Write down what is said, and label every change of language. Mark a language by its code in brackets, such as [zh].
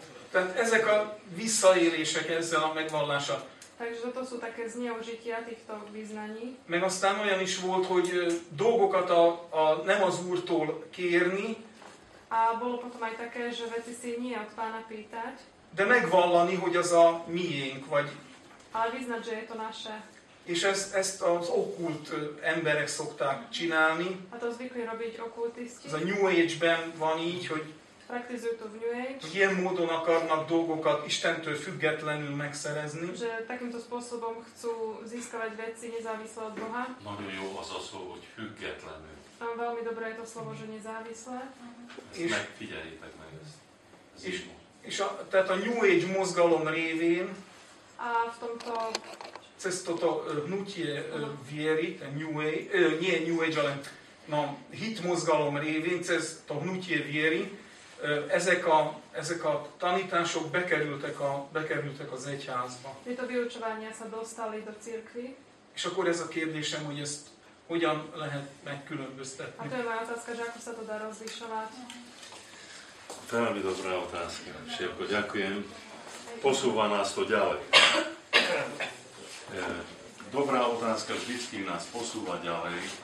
[hu] Tehát ezek a visszaélések ezzel a megvallása. [sk] Takže toto sú také zneužitia týchto vyznaní. [hu] Meg aztán olyan is volt, hogy dolgokat a nem az Úrtól kérni. [sk] A bolo potom aj také, že veci si nie od Pána pýtať. [hu] De megvallani, hogy az a miénk, vagy... [sk] Ale vyznať, že je to naše. [hu] És ezt az okkult emberek szokták csinálni. [sk] Hát az zvykli robiť okkultisti. [hu] Ez a New Age-ben van így, hogy... [sk] Praktizujú to v New Age. [hu] Ilyen módon akarnak dolgokat Istentől függetlenül megszerezni. [sk] Že takýmto spôsobom chcú získavať veci nezávisle od Boha. [hu] Nagyon jó az a slovo, hogy függetlenül. [sk] A veľmi dobré je to slovo, že nezávisle. [hu] Ezt megfigyeljétek meg ezt. És tehát a New Age mozgalom révén [sk] a v tomto cez toto hnutie viery, ten New Age, nie New Age, ale no, [hu] hit mozgalom révén, [sk] cez to hnutie viery, [hu] ezek a tanítások bekerültek az egyházba. [sk] Tieto vyučovania sa dostali do cirkvi. [hu] És akkor ez a kérdésem, hogy ezt hogyan lehet megkülönböztetni. [sk] A to je moja otázka, že ako sa to dá rozlišovať. To je mi dobrá otázka. Všetko, ďakujem. Posúva nás to ďalej. Dobrá otázka vždycky nás posúva ďalej.